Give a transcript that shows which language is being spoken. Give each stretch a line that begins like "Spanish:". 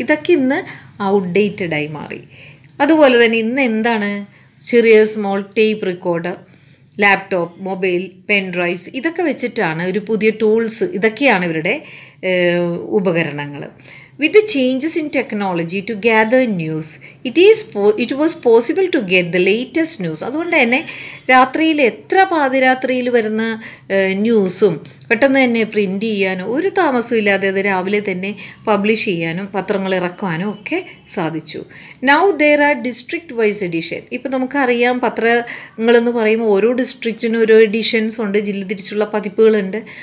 Malayalam: ഇതൊക്കെ ഇന്ന് ഔട്ട്ഡേറ്റഡായി മാറി. അതുപോലെ തന്നെ ഇന്ന് എന്താണ്, ചെറിയ small tape recorder, laptop, mobile, pen drives, ഇതൊക്കെ വെച്ചിട്ടാണ് ഒരു പുതിയ ടൂൾസ്, ഇതൊക്കെയാണ് ഇവരുടെ ഉപകരണങ്ങൾ.
English: With the changes in technology to gather news, it was possible to get the latest news.
Malayalam: അതുകൊണ്ട് തന്നെ രാത്രിയിൽ എത്ര പാതിരാത്രിയിൽ വരുന്ന ന്യൂസും പെട്ടെന്ന് തന്നെ പ്രിൻ്റ് ചെയ്യാനും ഒരു താമസമില്ലാതെ അത് രാവിലെ തന്നെ പബ്ലിഷ് ചെയ്യാനും പത്രങ്ങൾ ഇറക്കുവാനും ഒക്കെ സാധിച്ചു.
English: Now there are district wise edition.
Malayalam: ഇപ്പം നമുക്കറിയാം പത്രങ്ങളെന്ന് പറയുമ്പോൾ ഓരോ ഡിസ്ട്രിക്റ്റിനും ഓരോ എഡിഷൻസ് ഉണ്ട്, ജില്ല തിരിച്ചുള്ള പതിപ്പുകളുണ്ട്.